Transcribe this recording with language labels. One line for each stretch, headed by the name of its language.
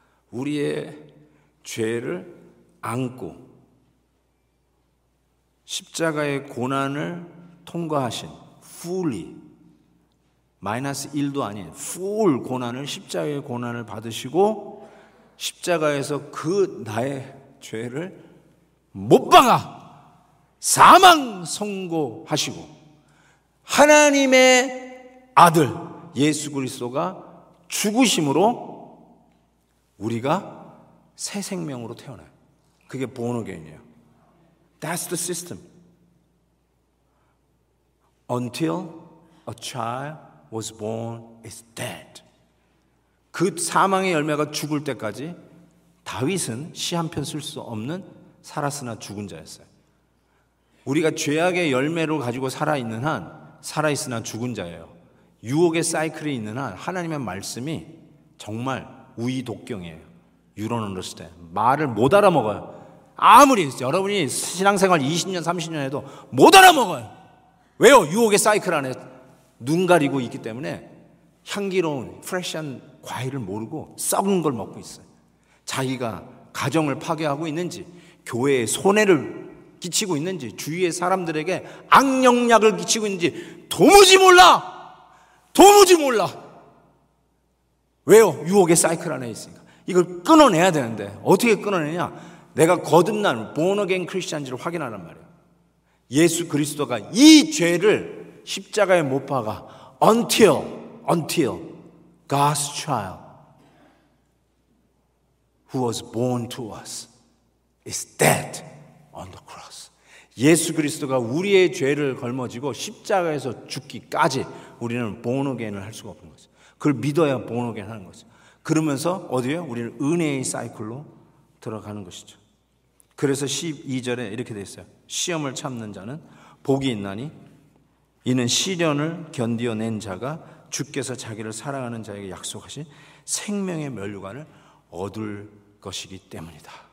Korean: 우리의 죄를 안고 십자가의 고난을 통과하신 fully 마이너스 1도 아닌 full 고난을 십자가의 고난을 받으시고 십자가에서 그 나의 죄를 못 박아 사망 선고하시고 하나님의 아들 예수 그리스도가 죽으심으로 우리가 새 생명으로 태어나요. 그게 born again이에요.
English: That's the system. Until a child was born is dead.
Korean: 그 사망의 열매가 죽을 때까지 다윗은 시 한 편 쓸 수 없는 살았으나 죽은 자였어요. 우리가 죄악의 열매로 가지고 살아있는 한 살아있으나 죽은 자예요. 유혹의 사이클이 있는 한 하나님의 말씀이 정말 우이독경이에요.
English: You don't understand.
Korean: 말을 못 알아먹어요. 아무리 여러분이 신앙생활 20년 30년 해도 못 알아먹어요. 왜요? 유혹의 사이클 안에 눈 가리고 있기 때문에 향기로운 프레시한 과일을 모르고 썩은 걸 먹고 있어요. 자기가 가정을 파괴하고 있는지 교회에 손해를 끼치고 있는지 주위의 사람들에게 악영향을 끼치고 있는지 도무지 몰라. 도무지 몰라. 왜요? 유혹의 사이클 안에 있으니까. 이걸 끊어내야 되는데 어떻게 끊어내냐? 내가 거듭난 born again Christian지를 확인하란 말이에요. 예수 그리스도가 이 죄를 십자가에 못 박아
English: until God's child who was born to us is dead on the cross.
Korean: 예수 그리스도가 우리의 죄를 걸머지고 십자가에서 죽기까지 우리는 born again을 할 수가 없는 거죠. 그걸 믿어야 born again 하는 거죠. 그러면서 어디에요? 우리는 은혜의 사이클로 들어가는 것이죠. 그래서 12절에 이렇게 되어 있어요. 시험을 참는 자는 복이 있나니 이는 시련을 견디어낸 자가 주께서 자기를 사랑하는 자에게 약속하신 생명의 면류관을 얻을 것이기 때문이다.